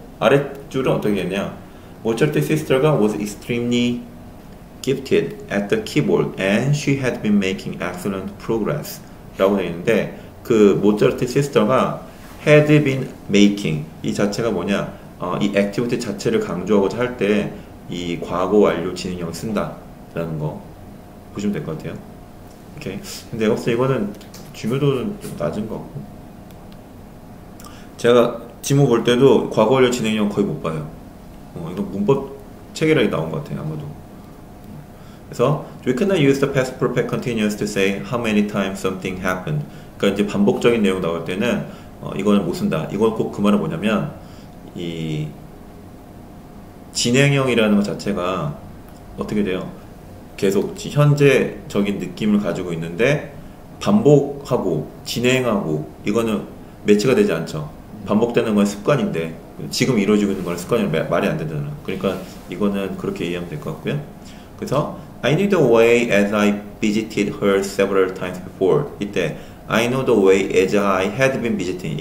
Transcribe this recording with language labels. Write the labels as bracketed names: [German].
[Korean] 아랫줄은 어떻게 했냐. Mozart's sister가 [English] was extremely gifted at the keyboard and she had been making excellent progress [Korean] 라고 되어 있는데 그 Mozart's sister가 [English] had been making [Korean] 이 자체가 뭐냐 이 activity 자체를 강조하고자 할 때 이 과거 완료 진행형 쓴다 라는 거 보시면 될 것 같아요. 오케이. 근데 역시 이거는 중요도는 좀 낮은 것 같고 제가 지문 볼 때도 과거 완료 진행형 거의 못 봐요. 이건 문법 체계라기 나온 것 같아요 아마도. 그래서 [English] We cannot use the past perfect continuous to say how many times something happened. [Korean] 그러니까 이제 반복적인 내용 나올 때는 이거는 못 쓴다. 이건 꼭 그 말은 뭐냐면 이 진행형이라는 것 자체가 어떻게 돼요? 계속 현재적인 느낌을 가지고 있는데 반복하고 진행하고 이거는 매치가 되지 않죠. 반복되는 건 습관인데 지금 이루어지고 있는 건 습관이 말이 안 되잖아. 그러니까 이거는 그렇게 이해하면 될 것 같고요. [English] 그래서 I knew the way as I visited her several times before. 이때 I know the way as I had been visiting.